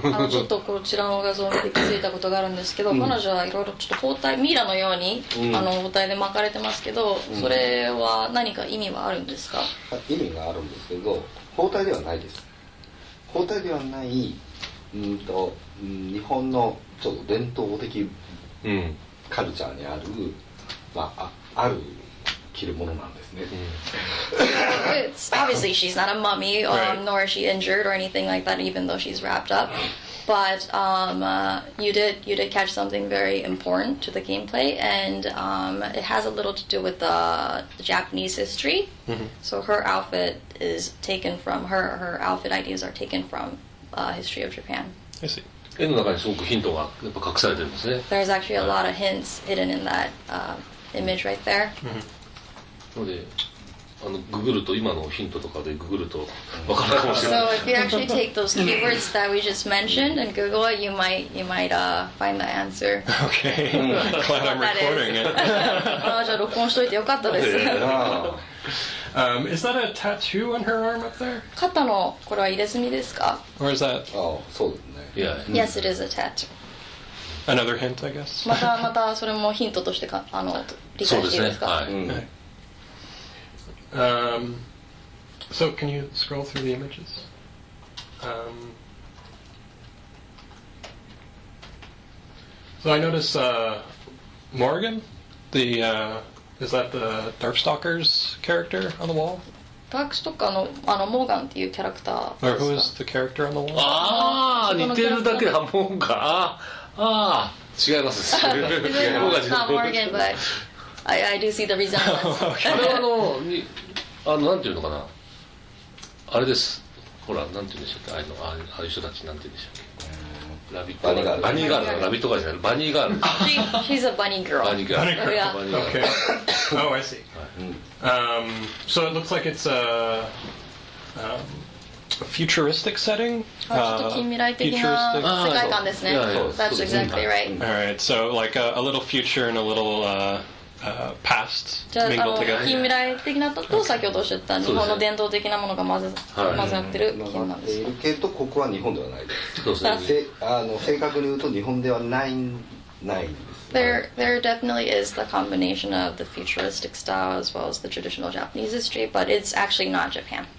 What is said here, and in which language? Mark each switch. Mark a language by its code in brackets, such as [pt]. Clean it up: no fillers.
[ja] ちょっとこちらの画像を見て気づいたことがあるんですけど、彼女はいろいろちょっと包帯、ミイラのように包帯で巻かれてますけど、それは何か意味はあるんですか？意味があるんですけど、包帯ではないです。包帯ではない、日本のちょっと伝統的カルチャーにある、まあ、ある着るものなんですね。 [en] It's obviously she's not a mummy, nor is she injured or anything like that, even though she's wrapped up. But you did catch something very important to the gameplay, and it has a little to do with the Japanese history. Mm-hmm. So her outfit is taken from her. Her outfit ideas are taken from history of Japan. I see. [ja] 絵の中にすごくヒントがやっぱ隠されてるんですね。 [en] There's actually a lot of hints hidden in that image right there. [ja] なので、あのググると今のヒントとかでググるとわかるかもしれない。 [en] So if you actually take those keywords that we just mentioned and Google it, you might find the answer. Okay, glad I'm recording it. [ja] ああ、じゃあ録音しといてよかったです。 [en] Is that a tattoo on her arm up there? [ja] 肩のこれは入れ墨ですか? [en] Or is that? [ja] Oh, そうだ。 [en] Yeah. Yes, it is a tattoo. Another hint, I guess. [ja] またそれもヒントとしてかあの理解していいですか。そうですね。はい。 [en] So can you scroll through the images? So I notice Morgan, the is that the Darkstalkers character on the wall? [ja] ダークストッカーのあのモーガンっていうキャラクター。 [en] Or who is the character on the wall? [ja] ああ、似てるだけだモーガン。ああ、違います。 [en] モーガン。Not Morgan, but I do see the resemblance. [ja] あれはあのなんていうのかな。あれです。ほらなんていうんでしたっけ。あのああいう人たちなんていうんでしたっけ。ラビットバニーガール。バニーガール。ラビットガールじゃない。バニーガール。 [en] She's a bunny girl. [ja] バニーガール。 [en] Yeah. Okay. Oh, I see. So it looks like it's a futuristic setting. Futuristic. Ah, so. That's exactly right. All right, so like a little future and a little past mingled together. [ja] 近未来的なと先ほどおっしゃった日本の伝統的なものが混ざってる金なんです。いるけどここは日本ではないです。そうですね。正確に言うと日本ではないんです。 [en] There definitely is the combination of the futuristic style as well as the traditional Japanese history, but it's actually not Japan.